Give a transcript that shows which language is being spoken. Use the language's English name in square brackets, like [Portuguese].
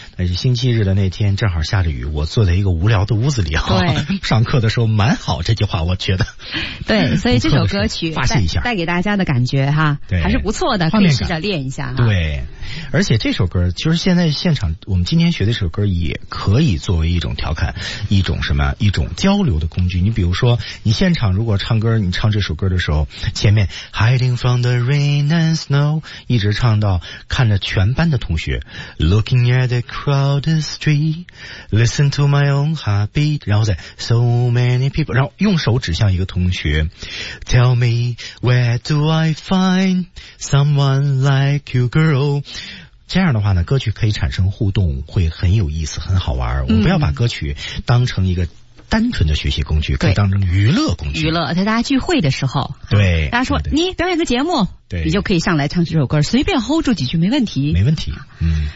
[Chinese] 那是星期日的那天，正好下着雨，我坐在一个无聊的屋子里哈，上课的时候蛮好，这句话我觉得对，所以这首歌曲发泄一下带给大家的感觉哈，对，还是不错的，可以试着练一下哈。对，而且这首歌其实现在现场我们今天学的这首歌也可以作为一种调侃，一种什么，一种交流的工具。你比如说你现场如果唱歌，你唱这首歌的时候，前面 [English] Hiding from the rain and snow [Chinese] 一直唱到看着全班的同学 [English] Looking at the crowded street, Listen to my own heartbeat, [Chinese] 然后再 [English] So many people, [Chinese] 然后用手指向一个同学 [English] Tell me where do I find someone like you girl。 [Chinese] 这样的话呢，歌曲可以产生互动，会很有意思，很好玩。我们不要把歌曲当成一个单纯的学习工具，可以当成娱乐工具。娱乐，在大家聚会的时候，对，大家说你表演个节目，对，你就可以上来唱这首歌，随便 hold 住几句没问题，没问题。嗯，